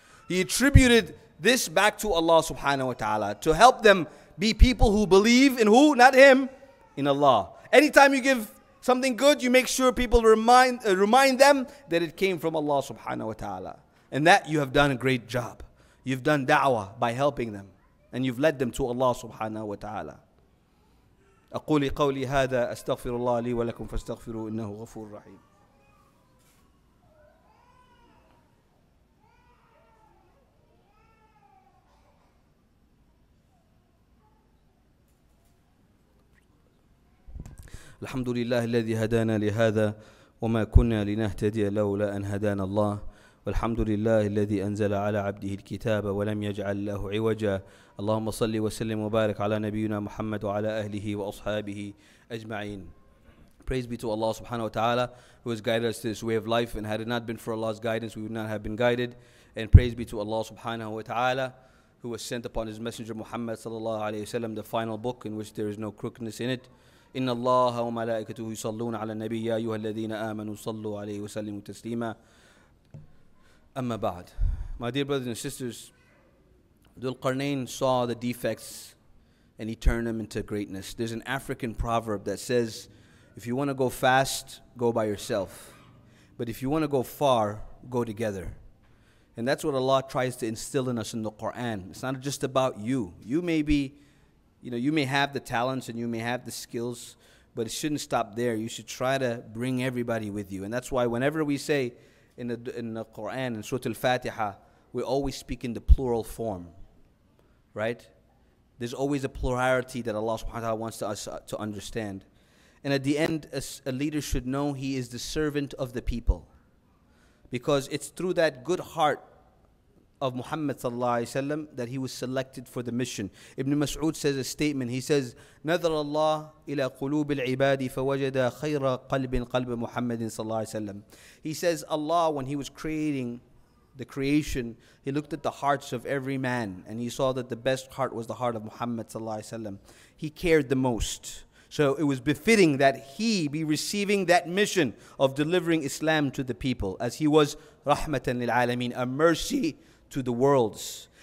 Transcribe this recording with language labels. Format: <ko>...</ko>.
<en>He attributed this back to Allah subhanahu wa ta'ala to help them be people who believe in who? Not him. In Allah. Anytime you give something good, you make sure people remind them that it came from Allah subhanahu wa ta'ala. And that you have done a great job. You've done da'wah by helping them. And you've led them to Allah subhanahu wa ta'ala.</en> <ar>أقولي قولي هذا أستغفر الله لي ولكم فاستغفروا إنه غفور رحيم. الحمد لله الذي هدانا لهذا وما كنا لنهتدي لولا أن هدانا الله والحمد لله الذي أنزل على عبده الكتاب ولم يجعل له عوجا اللهم صل وسلم وبارك على نبينا محمد وعلى أهله وأصحابه أجمعين.</ar> <en>Praise be to Allah subhanahu wa ta'ala who has guided us to this way of life, and had it not been for Allah's guidance we would not have been guided. And praise be to Allah subhanahu wa ta'ala who has sent upon his messenger Muhammad sallallahu alayhi wa sallam the final book in which there is no crookedness in it.</en> <ar>إن الله وملائكته يصلون على النبي يا أيها الذين آمنوا صلوا عليه وسلموا تسليما أما بعد.</ar> <en>My dear brothers and sisters, Dhul Qarnayn saw the defects and he turned them into greatness. There's an African proverb that says, if you want to go fast, go by yourself. But if you want to go far, go together. And that's what Allah tries to instill in us in the Qur'an. It's not just about you. You may have the talents and you may have the skills, but it shouldn't stop there. You should try to bring everybody with you. And that's why whenever we say in the Quran, in Surah Al-Fatiha, we're always speaking the plural form, right? There's always a plurality that Allah subhanahu wa ta'ala wants us to understand. And at the end, a leader should know he is the servant of the people. Because it's through that good heart of Muhammad sallallahu alayhi wa sallam that he was selected for the mission. Ibn Mas'ud says a statement. He says,</en> <ar>نَذَرَ اللَّهُ إِلَىٰ قُلُوبِ الْعِبَادِ فَوَجَدَ خَيْرَ قَلْبٍ قَلْبِ مُحَمَّدٍ sallallahu alayhi wa sallam.</ar> <en>He says, Allah, when he was creating the creation, he looked at the hearts of every man and he saw that the best heart was the heart of Muhammad sallallahu alayhi wa sallam. He cared the most. So it was befitting that he be receiving that mission of delivering Islam to the people, as he was</en> <ar>رَحْمَةً لِلْعَالَمِينَ,</ar> <en>a mercy to the worlds.</en>